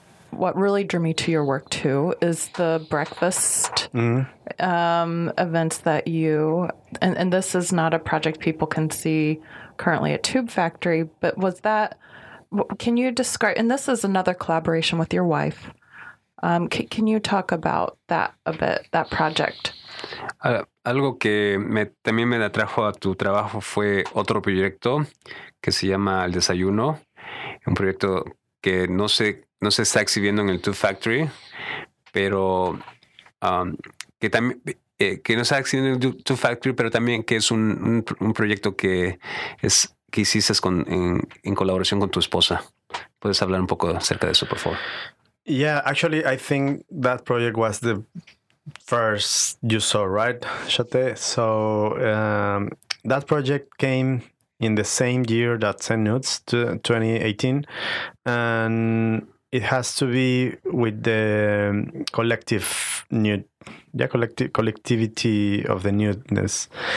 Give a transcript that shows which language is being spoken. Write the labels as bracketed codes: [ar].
[en] What really drew me to your work too is the breakfast events that you, and this is not a project people can see currently at Tube Factory, but was that, can you describe, and this is another collaboration with your wife. Can you talk about that a bit, that project? [es] Algo que también me atrajo a tu trabajo fue otro proyecto que se llama El Desayuno, un proyecto que no se está exhibiendo en el Tube Factory, pero que no está exhibiendo en el Tube Factory, pero también que es un proyecto que hiciste en colaboración con tu esposa. ¿Puedes hablar un poco acerca de eso, por favor? [en] Yeah, actually, I think that project was the first you saw, right, Chate? So that project came in the same year that Send Nudes, 2018, and it has to be with the collective nude, yeah, collectivity of the nudeness,